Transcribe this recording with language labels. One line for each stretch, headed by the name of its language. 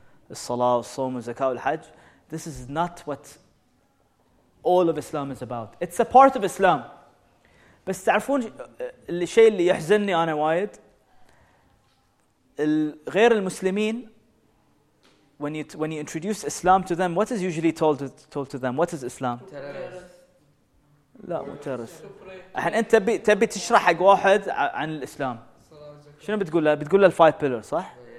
Arabic: الصلاة والصوم والزكاة والحج.
English: This is not what all of Islam is about. It's a part of Islam.
Arabic: بس تعرفون الشيء اللي يحزنني أنا وايد الغير المسلمين
English: when you introduce Islam to them what is usually told to them what is Islam
Arabic: لا مترس الحين أنت تبي تشرح حق واحد عن الإسلام شنو بتقول له
English: five pillars
Arabic: صح